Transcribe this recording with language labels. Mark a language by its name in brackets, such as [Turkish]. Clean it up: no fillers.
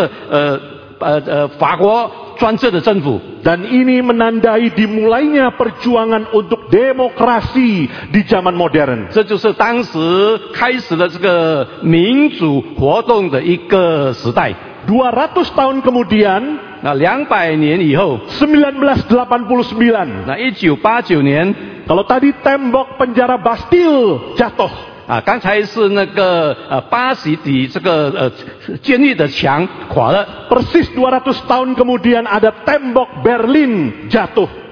[Chinese] 那就是人民暴动，然后对抗这个暴君，然后对抗这个法国专制的政府。 [Indonesian] Dan ini menandai dimulainya perjuangan untuk demokrasi di zaman modern. [Chinese] 这就是当时开始了这个民主活动的一个时代。 [Indonesian] 200 tahun kemudian. [Chinese] 那200年以后。 1989. 那1989年。 [Indonesian] Kalau tadi tembok penjara Bastille jatuh. [Chinese] 刚才是那个巴西底这个监狱的墙垮了。 [Indonesian] Persis 200 tahun kemudian ada tembok Berlin jatuh.